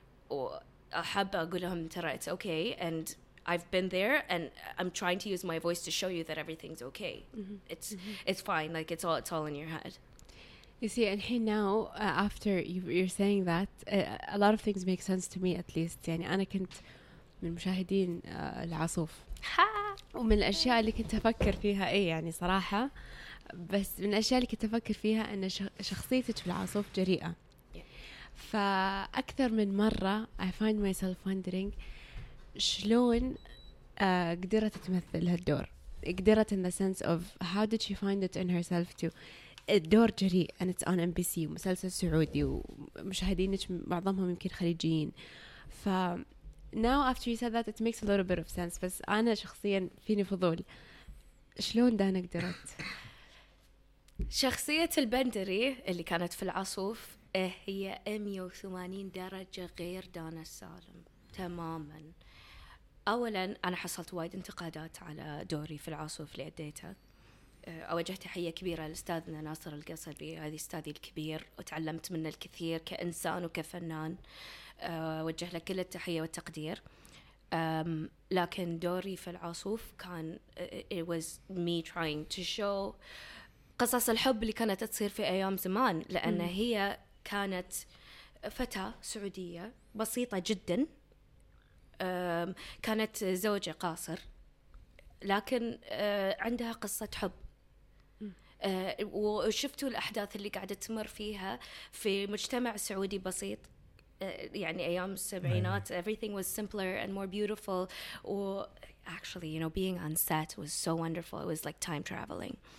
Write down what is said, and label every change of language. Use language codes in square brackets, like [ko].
[ar] وأحب أقول لهم ترى [en] it's okay and I've been there, and I'm trying to use my voice to show you that everything's okay. It's fine. Like it's all in your head. You see, and hey, now after you're saying that, a lot of things make sense to me at least. [ar] يعني أنا كنت من مشاهدين العصوف. ها. ومن الأشياء اللي كنت أفكر فيها إيه يعني صراحة, بس من الأشياء اللي كنت أفكر فيها أن شخصيتك في العصوف جريئة. فأكثر من مرة [en] I find myself wondering. [ar] شلون قدرت تمثل هالدور؟ قدرت [en] in the sense of how did she find it in herself to [ar] الدور جريء [en] and it's on NBC [ar] ومسلسل سعودي ومشاهدينك معظمهم يمكن خليجيين. [en] ف now after you said that it makes a little bit of sense, [ar] بس أنا شخصيا فيني فضول شلون دانا قدرت؟ شخصية البندري اللي كانت في العصوف هي 180 درجة غير دانا السالم تماما. اولا انا حصلت وايد انتقادات على دوري في العصوف اللي اديته. اوجه تحية كبيرة لأستاذنا ناصر القصبي، هذه أستاذي الكبير وتعلمت منه الكثير كإنسان وكفنان، اوجه له كل التحية والتقدير. لكن دوري في العصوف كان [en] it was me trying to show [ar] قصص الحب اللي كانت تصير في أيام زمان، لأن هي كانت فتاة سعودية بسيطة جدا، كانت زوجة قاصر لكن عندها قصة حب. وشفتوا الأحداث اللي قاعدة تمر فيها في مجتمع سعودي بسيط، يعني أيام السبعينات [en] everything was simpler and more beautiful. و actually you know being on set was so wonderful, it was like time traveling.